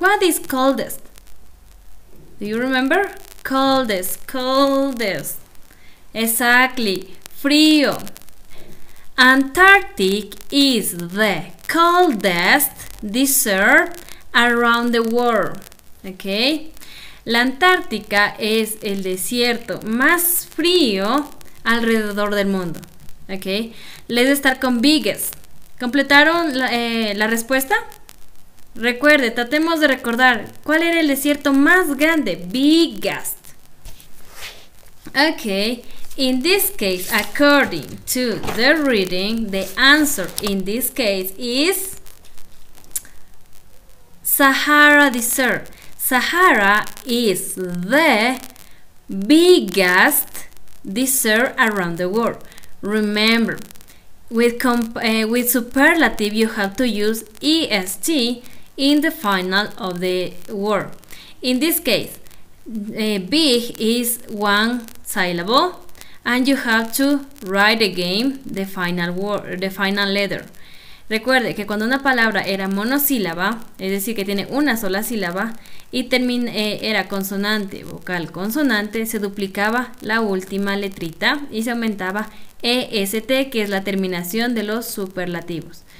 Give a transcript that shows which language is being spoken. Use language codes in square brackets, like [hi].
[en] What is coldest? Do you remember? Coldest, coldest. Exactly, frío. Antarctic is the coldest dessert around the world. Okay? [es] La Antártica es el desierto más frío alrededor del mundo. Okay? [en] Let's start [es] con biggest. ¿Completaron la respuesta? Recuerde, tratemos de recordar cuál era el desierto más grande, biggest. [en] Okay, in this case, according to the reading, the answer in this case is Sahara Desert. Sahara is the biggest desert around the world. Remember, with superlative, you have to use EST in the final of the word. In this case, big is one syllable, and you have to write again the final word, the final letter. [es] Recuerde que cuando una palabra era monosílaba, es decir, que tiene una sola sílaba, y era consonante, vocal, consonante, se duplicaba la última letrita y se aumentaba EST, que es la terminación de los superlativos.